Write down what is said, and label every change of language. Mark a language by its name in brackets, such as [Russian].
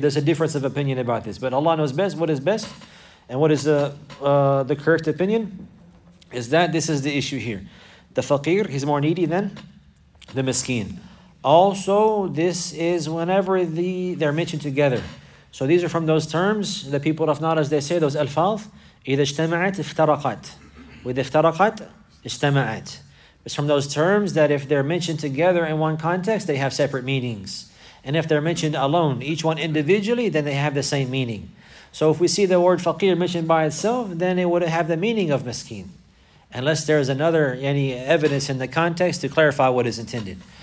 [English] There's a difference of opinion about this. But Allah knows best what is best, and what is the correct opinion is that this is the issue here. The faqir, he's more needy than the miskin. Also, this is whenever they're mentioned together. So these are from those terms, the people of knowledge, they say those alfaz, [Arabic] إذا اجتمعت افترقت. With افترقت, اجتمعت. [English] It's from those terms that if they're mentioned together in one context, they have separate meanings. And if they're mentioned alone, each one individually, then they have the same meaning. So if we see the word faqir mentioned by itself, then it would have the meaning of miskin. Unless there is any evidence in the context to clarify what is intended.